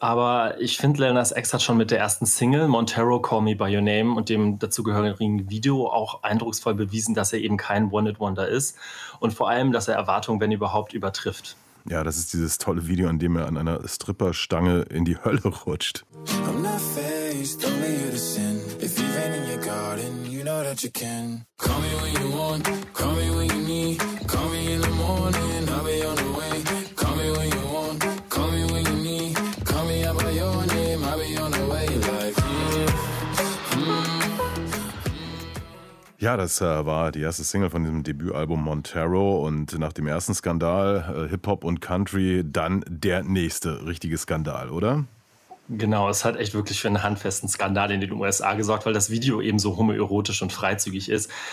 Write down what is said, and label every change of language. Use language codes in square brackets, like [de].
[de] Aber ich finde, Lil Nas X hat schon mit der ersten Single, Montero Call Me By Your Name, und dem dazugehörigen Video auch eindrucksvoll bewiesen, dass er eben kein One-Hit-Wonder ist und vor allem, dass er Erwartungen, wenn überhaupt, übertrifft. Ja, das ist dieses tolle Video, in dem er an einer Stripperstange in die Hölle rutscht. [en] I'm not faced, only here to sin. If you've been in your garden, you know that you can. Call me when you want, call me when you need. Call me in the morning, I'll be on the way. Call me when you want, call me when you need. Call me out by your name, I'll be on the way. Like, yeah. [de] Ja, das war die erste Single von diesem Debütalbum Montero und nach dem ersten Skandal Hip-Hop und Country dann der nächste richtige Skandal, oder? Genau, es hat echt wirklich für einen handfesten Skandal in den USA gesorgt, weil das Video eben so homoerotisch und freizügig ist.